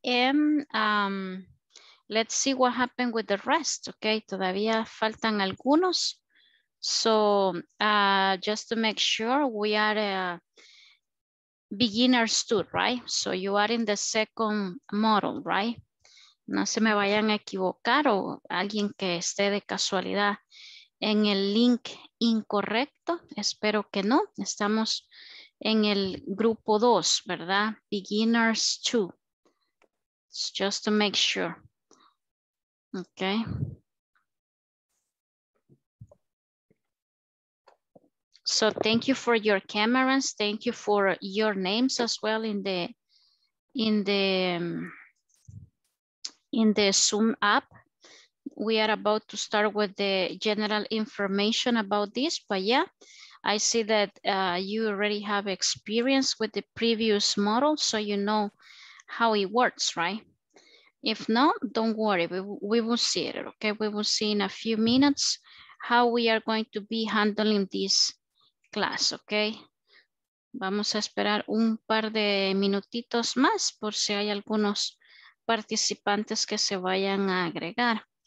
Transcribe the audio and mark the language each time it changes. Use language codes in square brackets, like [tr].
[en] And let's see what happened with the rest. Okay. [es] Todavía faltan algunos. [en] So just to make sure we are beginners too, right? So you are in the second model, right? [es] No se me vayan a equivocar o alguien que esté de casualidad en el link incorrecto. Espero que no. Estamos en el grupo 2, ¿verdad? [en] Beginners 2. Just to make sure. Okay. So thank you for your cameras. Thank you for your names as well in the Zoom app. We are about to start with the general information about this, but yeah, I see that you already have experience with the previous model, so you know how it works, right? If not, don't worry, we will see it, okay? We will see in a few minutes how we are going to be handling this class, okay? [es] Vamos a esperar un par de minutitos más por si hay algunos participantes que se vayan a agregar.